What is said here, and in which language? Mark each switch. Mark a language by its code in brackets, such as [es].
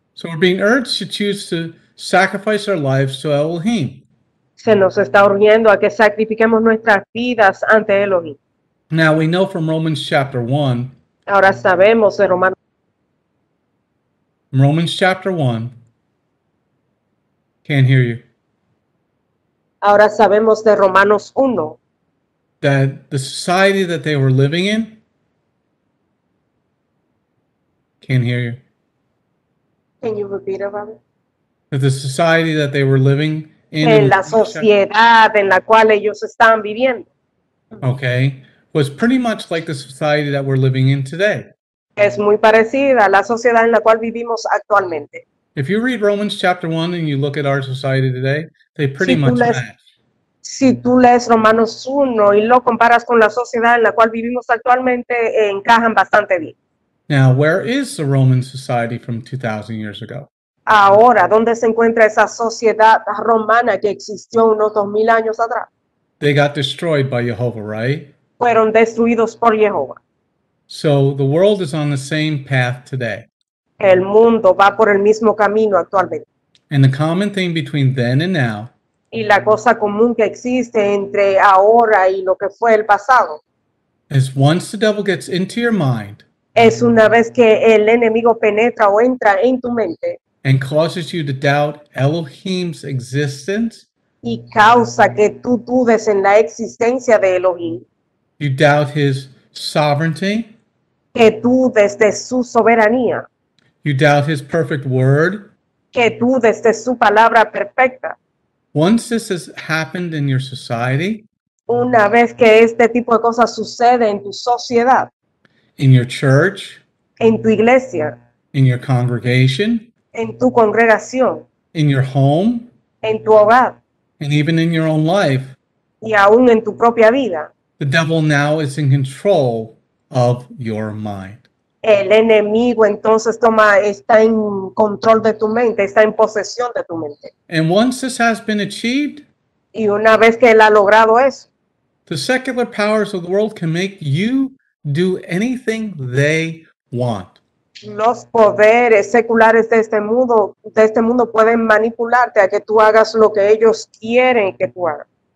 [en] So we're being urged to choose to sacrifice our lives to Elohim. [es] Se nos está urgiendo a que sacrifiquemos nuestras vidas ante Elohim. [en] Now we know from Romans chapter 1. [es] Ahora sabemos de Romanos. [en] Romans chapter 1. Can't hear you. [es] Ahora sabemos de Romanos 1. [en] That the society that they were living in. Can't hear you. Can you repeat it, Robert? That the society that they were living in. [es] En la sociedad en la cual ellos estaban viviendo. [en] Okay. Was pretty much like the society that we're living in today. [es] Es muy parecida a la sociedad en la cual vivimos actualmente. [en] If you read Romans chapter 1 and you look at our society today, they pretty much match. [es] Si tú lees Romanos 1 y lo comparas con la sociedad en la cual vivimos actualmente, encajan bastante bien. [en] Now, where is the Roman society from 2,000 years ago? [es] Ahora, ¿dónde se encuentra esa sociedad romana que existió unos 2,000 años atrás? [en] They got destroyed by Jehovah, right? [es] Fueron destruidos por Jehová. [en] So, the world is on the same path today. [es] El mundo va por el mismo camino actualmente. [en] And the common thing between then and now. [es] Y la cosa común que existe entre ahora y lo que fue el pasado. [en] Is once the devil gets into your mind. [es] Es una vez que el enemigo penetra o entra en tu mente. [en] And causes you to doubt Elohim's existence. [es] Y causa que tú dudes en la existencia de Elohim. [en] You doubt his sovereignty. [es] Que dudes de su soberanía. [en] You doubt his perfect word. [es] Que dudes de su palabra perfecta. [en] Once this has happened in your society. [es] Una vez que este tipo de cosas sucede en tu sociedad. [en] In your church. [es] En tu iglesia. [en] In your congregation. [es] En tu congregación. [en] In your home. [es] En tu hogar. [en] And even in your own life. [es] Y aún en tu propia vida. [en] The devil now is in control of your mind. [es] El enemigo entonces toma, está en control de tu mente, está en posesión de tu mente. [en] And once this has been achieved. [es] Y una vez que él ha logrado eso. [en] The secular powers of the world can make you do anything they want. [es] Los poderes seculares de este mundo pueden manipularte a que tú hagas lo que ellos quieren que tú hagas.